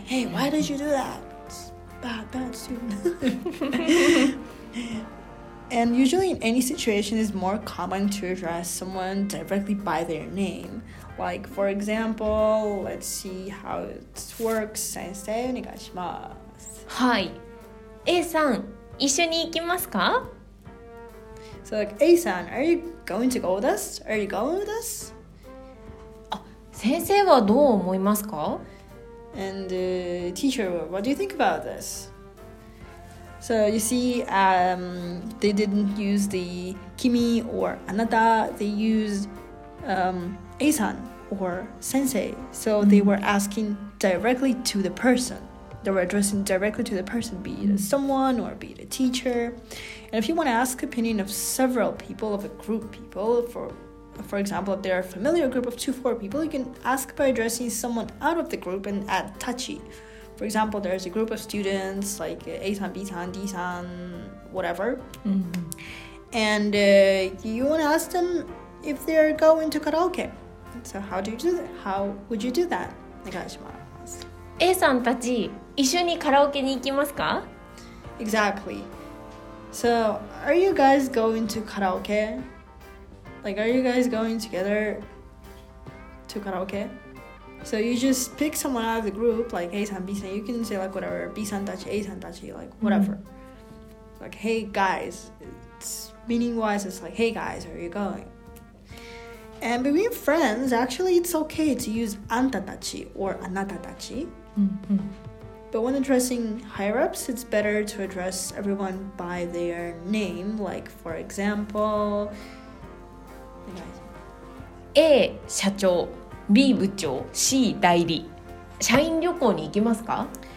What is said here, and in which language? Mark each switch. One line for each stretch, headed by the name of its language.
English: Hey, why did you do that? It's bad student. And usually, in any situation, it's more common to address someone directly by their name. Like for example, let's see how it works.
Japanese: 先生お願いします。はい。 A さん、一緒に行きますか?
English: So like, A さん、are you going to go with us? Are you going with us?
Japanese: あ、先生はどう思いますか?
English: And teacher, what do you think about this? So you see, they didn't use the kimi or anata, they used A さん or 先生. So they were asking directly to the person. They were addressing directly to the person, be it someone or be it a teacher. And if you want to ask opinion of several people, of a group of people, for example, if they're a familiar group of 2-4 people, you can ask by addressing someone out of the group and add tachi. For example, there's a group of students like A-san, B-san, D-san, whatever. Mm-hmm. And you want to ask them if they're going to karaoke. So how do you do that? How would you do that? Nagashima.
Japanese: A さんたち、一緒にカラオケに行きますか?
English: Exactly. So, are you guys going to karaoke? Like, are you guys going together to karaoke? So you just pick someone out of the group, like A さん、B さん, you can say like whatever, B さんたち、A さんたち, like whatever.、Mm-hmm. Like, hey guys, it's meaning-wise, it's like, hey guys, are you going? And between friends, actually, it's okay to use antatachi or anatatachi. But when addressing higher-ups, it's better to address everyone by their name. Like, for example...
Japanese: A, 社長 B, 部長 C, 代理社員旅行に行きますか?